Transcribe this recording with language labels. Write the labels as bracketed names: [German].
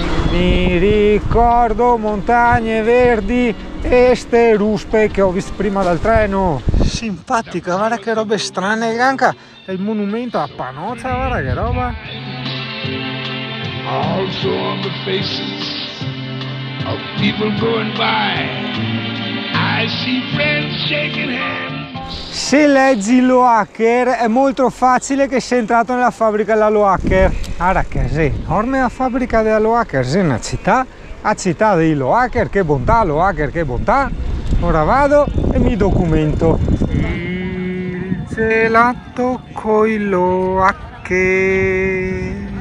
[Italian] Mi ricordo montagne verdi e ste ruspe che ho visto prima dal treno. Simpatica, guarda che roba strana, ganca. È il monumento a Panoccia, guarda che roba. [English] Also on the faces of people going by, I see friends shaking hands. [Italian] Se leggi Loacker è molto facile che sei entrato nella fabbrica della Loacker. Ora che sì, ormai la fabbrica della Loacker è una città, la città dei Loacker, che bontà, Loacker, che bontà. Ora vado e mi documento. Il gelato coi Loacker.